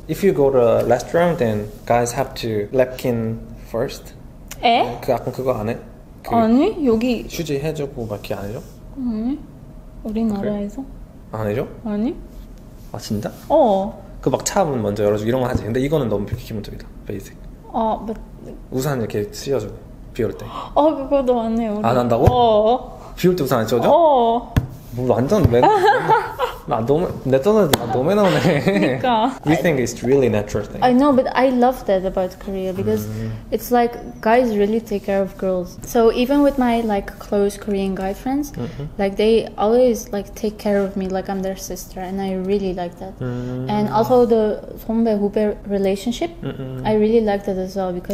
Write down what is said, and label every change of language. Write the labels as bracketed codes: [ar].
[en] If you go to a restaurant, then guys have to napkin first. [ko] 에? 그 약간 그거 안 해? 그 아니 여기. 휴지 해주고 막 이렇게 안 해줘? 아니, 우리나라에서. 안 해줘? 아니. 아 진짜? 어. 그 막 차 문 먼저 열어주고 이런 거 하지. 근데 이거는 너무 기본적이다. [en] Basic. [ko] 어, but 우산 이렇게 씌워줘 비 올 때. 어, 그거도 안 해요. 안 한다고? 어. 비 올 때 우산 안 씌워줘? 어. 뭐 완전 매너. 나 너무 내 떠나지 나 너무 매너네. 그러니까. [en] You think it's really natural thing? I know, but I love that about Korea because it's like guys really take care of girls. So even with my like close Korean guy friends, like they always like take care of me like I'm their sister, and I really like that. And also the 선배 후배 relationship, I really like that as well because